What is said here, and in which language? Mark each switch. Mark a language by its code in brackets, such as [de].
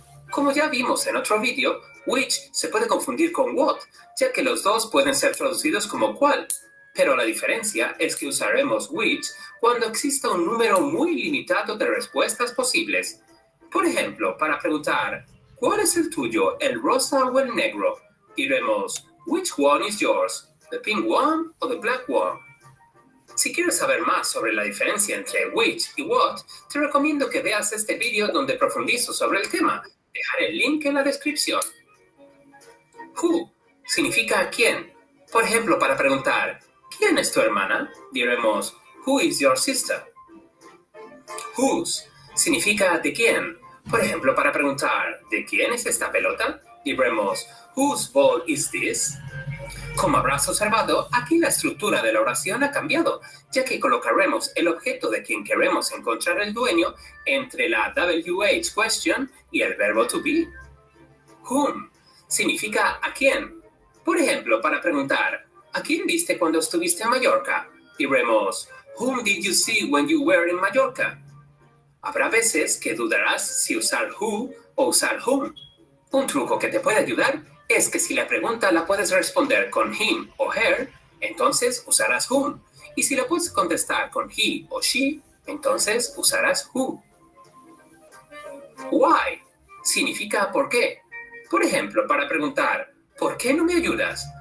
[es] Como ya vimos en otro vídeo, which se puede confundir con what, ya que los dos pueden ser traducidos como cuál. Pero la diferencia es que usaremos which cuando exista un número muy limitado de respuestas posibles. Por ejemplo, para preguntar, ¿cuál es el tuyo, el rosa o el negro? Diremos, [en] which one is yours, the pink one or the black one? [es] Si quieres saber más sobre la diferencia entre which y what, te recomiendo que veas este vídeo donde profundizo sobre el tema. Dejaré el link en la descripción. Who significa quién. Por ejemplo, para preguntar, ¿quién es tu hermana? Diremos, [en] Who is your sister? Whose [es] significa de quién. Por ejemplo, para preguntar, ¿de quién es esta pelota? Diremos, [en] Whose ball is this? [es] Como habrás observado, aquí la estructura de la oración ha cambiado, ya que colocaremos el objeto de quien queremos encontrar el dueño entre la WH question y el verbo to be. Whom significa a quién. Por ejemplo, para preguntar, ¿a quién viste cuando estuviste en Mallorca? Diremos, [en] Whom did you see when you were in Mallorca? [es] Habrá veces que dudarás si usar who o usar whom. Un truco que te puede ayudar es que si la pregunta la puedes responder con him o her, entonces usarás whom. Y si la puedes contestar con he o she, entonces usarás who. Why significa por qué. Por ejemplo, para preguntar, ¿por qué no me ayudas?